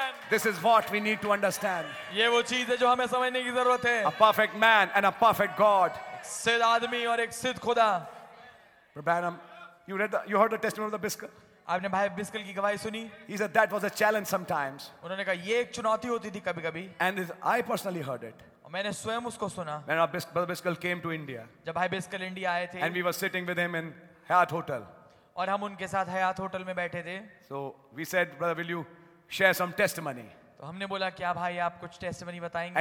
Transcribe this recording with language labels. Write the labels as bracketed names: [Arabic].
[English] This is what we need to understand. [Hindi] ये वो चीज़ है जो हमें समझने की ज़रूरत है. [English] A perfect man and a perfect God. [Hindi] सिद्ध आदमी और एक सिद्ध खुदा. [English] Branham, you heard the testimony of the biscuit. [Hindi] आपने भाई बिस्किल की गवाही सुनी? [English] He said that was a challenge sometimes. [Hindi] उन्होंने कहा ये एक चुनौती होती थी कभी-कभी. [English] And I personally heard it. [Hindi] और मैंने स्वयं उसको सुना. [English] When Brother Biskal came to India. [Hindi] जब भाई बिस्किल इंडिया आए थे. [English] And we were sitting with him in Hyatt Hotel. [Hindi] और हम उनके साथ हयात होटल में बैठे थे. [English] So we said, brother, will you share some testimony? [Hindi] तो हमने बोला क्या भाई आप कुछ testimony बताएंगे?